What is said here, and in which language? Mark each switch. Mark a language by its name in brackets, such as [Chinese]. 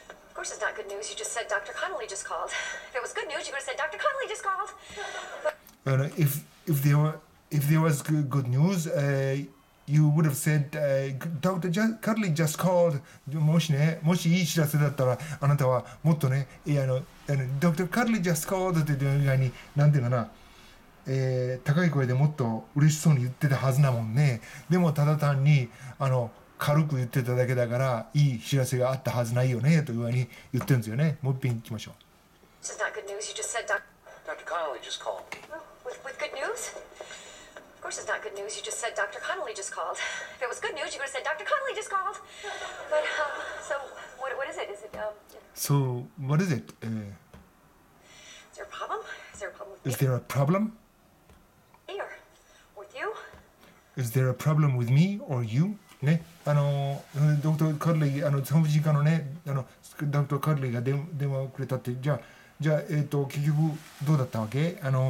[English] Of course it's not good news. You just said Dr. Connolly just called. If it was good news, you would have said Dr. Connolly just called. If there was good news, you would have said Dr. Connolly just called. [Japanese] もしね、もしいい知らせだったら、あなたはもっとね、いや、あの Dr. [English] Connolly just called [Japanese] って言う以外に、なんていうかな、高い声でもっと嬉しそうに言ってたはずなもんね。でもただ単に、あの、軽く言ってただけだから、いい知らせがあったはずないよねというふうに言ってるんですよね。もう一遍行きましょう。 [English] This is not good news. You just said Dr. Connolly just called. With good news? Of course it's not good news. You just said Dr. Connolly just called. If it was good news, you would have said Dr. Connolly just called. But, so what is it? Is it, So what is it? Is there a problem? Is there a problem Is there a problem? Here. With you? Is there a problem with me or you? [Japanese] ね、ドクター・カッリー、産婦人科のね、ドクター・カッリーが電話をくれたって、じゃあ、結局どうだったわけ？